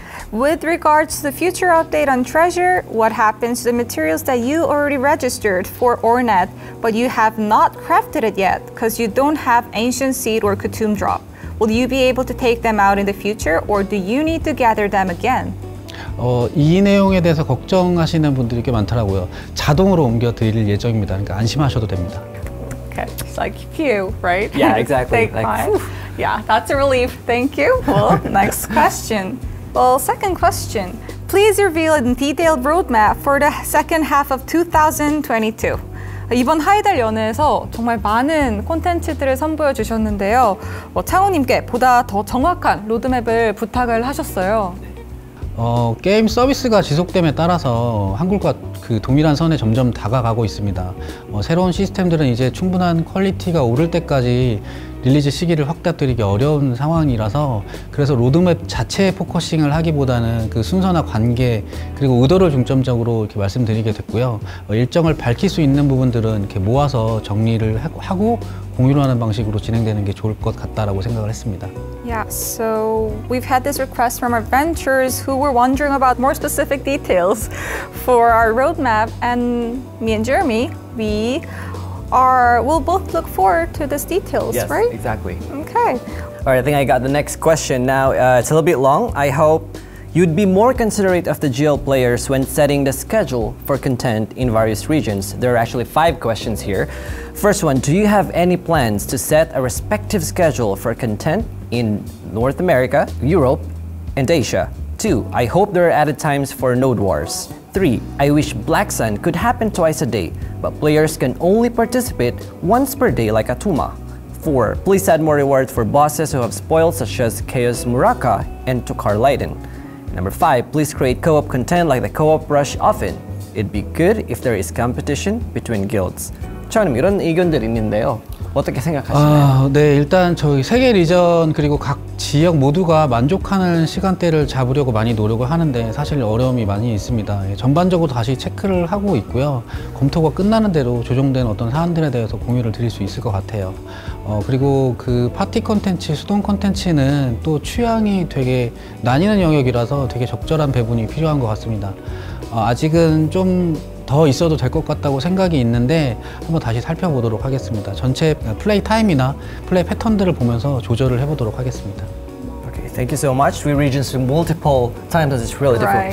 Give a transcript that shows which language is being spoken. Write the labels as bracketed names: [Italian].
[English] With regards to the future update on Treasure, what happens to the materials that you already registered for Ornette, but you have not crafted it yet because you don't have Ancient Seed or Kutum Drop? Will you be able to take them out in the future, or do you need to gather them again? [Korean] 이 내용에 대해서 걱정하시는 분들이 꽤 많더라고요. 자동으로 옮겨 드릴 예정입니다. 그러니까 안심하셔도 됩니다. [English] Okay, it's like you, right? Yeah, exactly. Take like, mine. Yeah, that's a relief. Thank you. Well, next question. Well, second question. Please reveal a detailed roadmap for the second half of 2022. [Korean] 이번 하이델 연회에서 정말 많은 콘텐츠들을 선보여 주셨는데요. 창호님께 보다 더 정확한 로드맵을 부탁을 하셨어요. 게임 서비스가 지속됨에 따라서 한국과 그 동일한 선에 점점 다가가고 있습니다. 새로운 시스템들은 이제 충분한 퀄리티가 오를 때까지 릴리즈 시기를 확답드리기 어려운 상황이라서 그래서 로드맵 자체에 포커싱을 하기보다는 그 순서나 관계 그리고 의도를 중점적으로 이렇게 말씀드리게 됐고요. 일정을 밝힐 수 있는 부분들은 이렇게 모아서 정리를 하고 공유를 하는 방식으로 진행되는 게 좋을 것 같다라고 생각을 했습니다. [English] Yeah, so we've had this request from our ventures who were wondering about more specific details for our roadmap and me and Jeremy, we'll both look forward to these details, yes, right? Yes, exactly. Okay. All right, I think I got the next question. Now, it's a little bit long. I hope you'd be more considerate of the GL players when setting the schedule for content in various regions. There are actually 5 questions here. First one, do you have any plans to set a respective schedule for content in North America, Europe, and Asia? 2, I hope there are added times for Node Wars. 3, I wish Black Sun could happen twice a day, but players can only participate once per day like Atuma. 4, please add more rewards for bosses who have spoils such as Chaos Muraka and Tokar Leiden. 5, please create co-op content like the co-op rush often. It'd be good if there is competition between guilds. [Korean] 처음 이런 의견들이 있는데요. 어떻게 생각하시나요? 네, 일단 저희 세계 리전 그리고 각 지역 모두가 만족하는 시간대를 잡으려고 많이 노력을 하는데 사실 어려움이 많이 있습니다. 전반적으로 다시 체크를 하고 있고요. 검토가 끝나는 대로 조정된 어떤 사안들에 대해서 공유를 드릴 수 있을 것 같아요. 그리고 그 파티 콘텐츠, 수동 콘텐츠는 또 취향이 되게 나뉘는 영역이라서 되게 적절한 배분이 필요한 것 같습니다. 아직은 좀 더 있어도 될 것 같다고 생각이 있는데 한번 다시 살펴보도록 하겠습니다. 전체 플레이 타임이나 플레이 패턴들을 보면서 조절을 해보도록 하겠습니다. [English] Okay, thank you so much. We regions in multiple time zones is really difficult.